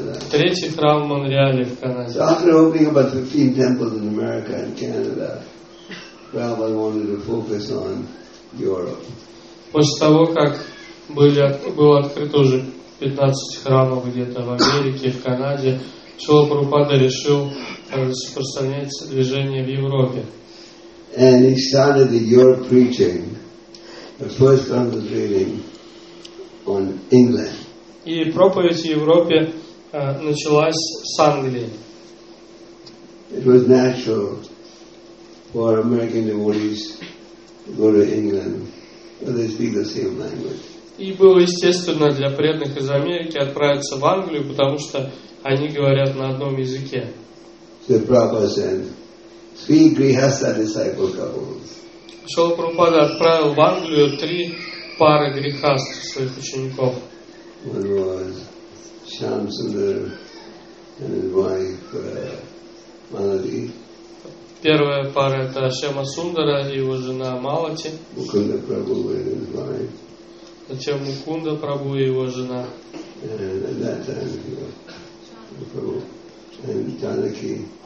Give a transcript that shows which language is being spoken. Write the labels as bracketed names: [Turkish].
[Russian] Третий храм в Монреале в Канаде. [English] So after opening about 15 temples in America and Canada, Prabhupada wanted to focus on Europe. [Russian] После того, как был открыт уже 15 храмов где-то в Америке, в Канаде, Шрила Прабхупада решил распространять движение в Европе. [English] And he started the Europe preaching. The first concentrating on England. [Russian] И проповедь в Европе началась с Англии. [English] It was natural for American devotees to go to England, where they speak the same language. [Russian] И было естественно для преданных из Америки отправиться в Англию, потому что они говорят на одном языке. [English] So Prabhupada said, three Grihastha disciple couples. [Russian] Шрила Прабхупада отправил в Англию 3 пары грехаст своих учеников. [English] One was Shyam Sundar and his wife Malati. [Russian] Первая пара это Шьяма Сундара и его жена Малати. [English] Mukunda Prabhu and his wife. [Russian] Затем Мукунда Прабу и его жена. [English] And at that time he was Prabhu and Janaki.